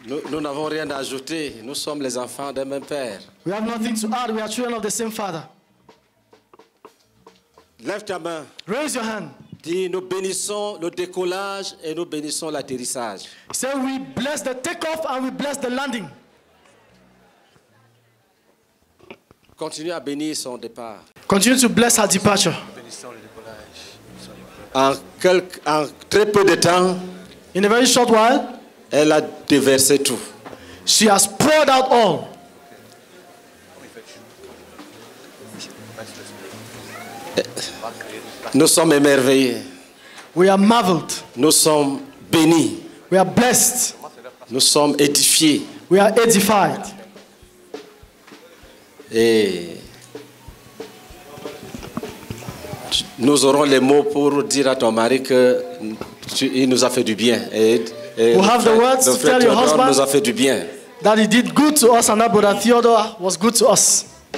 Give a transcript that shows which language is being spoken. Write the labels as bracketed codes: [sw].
[fr] Nous n'avons rien à ajouter. Nous sommes les enfants d'un même père. [en] We have nothing to add. We are children of the same father. [fr] Lève ta main. [en] Raise your hand. [fr] Dis, nous bénissons le décollage et nous bénissons l'atterrissage. [en] Say, we bless the takeoff and we bless the landing. [fr] Continue à bénir son départ. [en] Continue to bless her departure. [fr] En très peu de temps, [en] in a very short while, [fr] elle a déversé tout. [en] She has poured out all. [fr] Nous sommes émerveillés. [en] We are marveled. [fr] Nous sommes bénis. [en] We are blessed. [fr] Nous sommes édifiés. [en] We are edified. [fr] Et nous aurons les mots pour dire à ton mari que il nous a fait du bien. [en] We have the words to tell your husband [fr] nous a fait du bien. [en] That he did good to us and that brother Theodore was good to us.